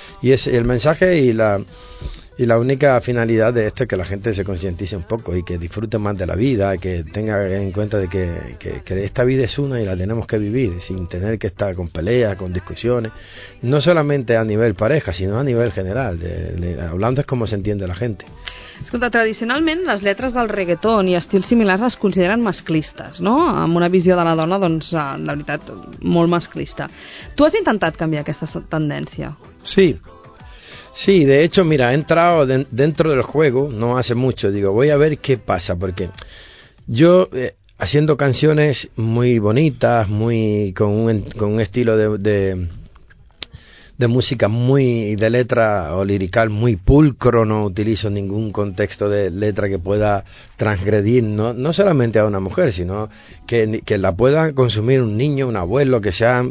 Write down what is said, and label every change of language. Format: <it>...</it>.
<es>Y es el mensaje y la única finalidad de esto es que la gente se concientice un poco y que disfrute más de la vida, que tenga en cuenta de que esta vida es una y la tenemos que vivir sin tener que estar con peleas, con discusiones, no solamente a nivel pareja, sino a nivel general. Hablando es como se entiende la gente.</es> <ca>Escolta, tradicionalment les lletres del reggaeton i estils similars es consideren masclistes, no? Amb una visió de la dona, doncs, de veritat, molt masclista. Tu has intentat canviar aquesta tendència? Sí.</ca> <es>Sí, de hecho, mira, he entrado dentro del juego no hace mucho. Digo, voy a ver qué pasa, porque yo haciendo canciones muy bonitas, muy con un estilo de música muy de letra o lirical muy pulcro, no utilizo ningún contexto de letra que pueda transgredir, no solamente a una mujer, sino que la pueda consumir un niño, un abuelo, que sea.</es>